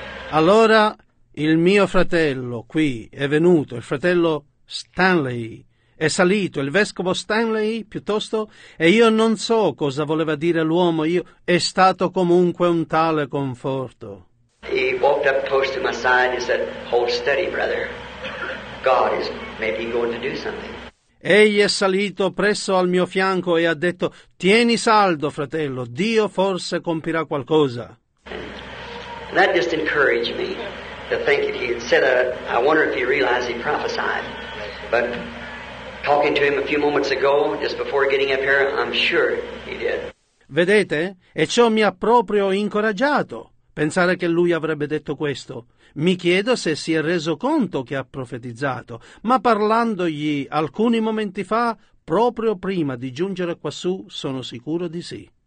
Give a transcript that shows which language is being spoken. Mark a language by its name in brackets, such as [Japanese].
[Italian] Allora il mio fratello qui è venuto, il fratello Stanley, è salito, il vescovo Stanley piuttosto, e io non so cosa voleva dire l'uomo, io è stato comunque un tale conforto. [English] He walked up close to my side and said, hold steady, brother. God is maybe going to do something. [Italian] Egli è salito presso al mio fianco e ha detto, tieni saldo, fratello, Dio forse compirà qualcosa. [English] And that just encouraged me. To think that he had said that, I wonder if he realized he prophesied. But talking to him a few moments ago, just before getting up here, I'm sure he did. [Italian] Vedete? E ciò mi ha proprio incoraggiato. Pensare che lui avrebbe detto questo. Mi chiedo se si è reso conto che ha profetizzato. Ma parlandogli alcuni momenti fa, proprio prima di giungere quassù, sono sicuro di sì.